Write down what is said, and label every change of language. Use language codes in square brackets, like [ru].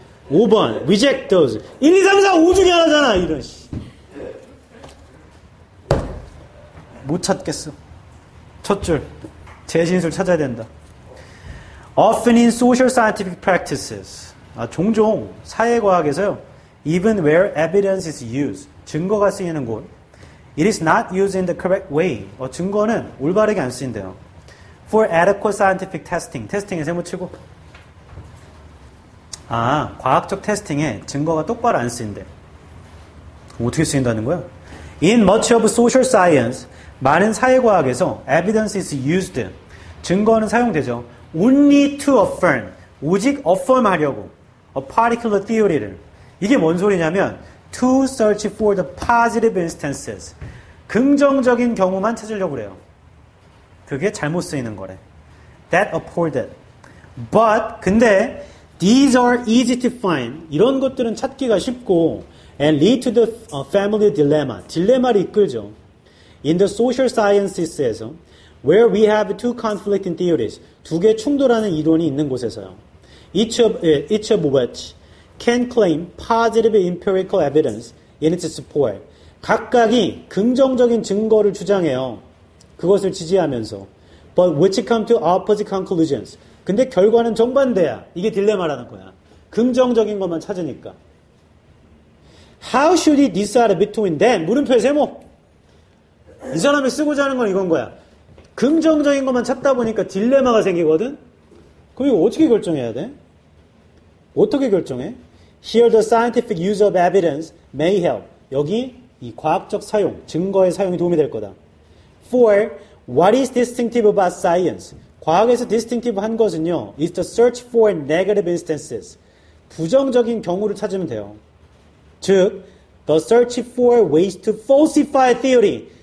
[ko] 5번, [en] reject those. [ko] 1, 2, 3, 4, 5 중에 하나잖아, 이런 씨. 못 찾겠어. 첫 줄, 재진술 찾아야 된다. [en] Often in social scientific practices. [ko] 아, 종종 사회과학에서요. [en] Even where evidence is used. [ko] 증거가 쓰이는 곳. [en] It is not used in the correct way. [ko] 어, 증거는 올바르게 안 쓰인대요. [en] For adequate scientific testing. [ko] 테스팅에 세모 치고. 아, 과학적 테스팅에 증거가 똑바로 안 쓰인대. 그럼 어떻게 쓰인다는 거야? [en] In much of social science, [ko] 많은 사회과학에서 [en] evidence is used. [ko] 증거는 사용되죠. [en] Only to affirm. [ko] 오직 affirm 하려고. [en] A particular theory를. [ko] 이게 뭔 소리냐면, [en] to search for the positive instances. [ko] 긍정적인 경우만 찾으려고 그래요. 그게 잘못 쓰이는 거래. [en] That afforded. But, [ko] 근데, [en] these are easy to find. [ko] 이런 것들은 찾기가 쉽고, [en] and lead to the family dilemma. [ko] 딜레마를 이끌죠. [en] In the social sciences에서, where we have two conflicting theories. [ko] 두 개 충돌하는 이론이 있는 곳에서요. [en] Each of which can claim positive empirical evidence in its support. [ko] 각각이 긍정적인 증거를 주장해요. 그것을 지지하면서. [en] But which come to opposite conclusions. [ko] 근데 결과는 정반대야. 이게 딜레마라는 거야. 긍정적인 것만 찾으니까. [en] How should he decide between them? [ko] 물음표의 세모. 이 사람이 쓰고자 하는 건 이건 거야. 긍정적인 것만 찾다 보니까 딜레마가 생기거든. 그럼 이거 어떻게 결정해야 돼? 어떻게 결정해? [en] Here the scientific use of evidence may help. [ko] 여기 이 과학적 사용, 증거의 사용이 도움이 될 거다. [en] For what is distinctive about science? [ko] 과학에서 distinctive 한 것은요. [en] is the search for negative instances. [ko] 부정적인 경우를 찾으면 돼요. 즉, [en] the search for ways to falsify theory.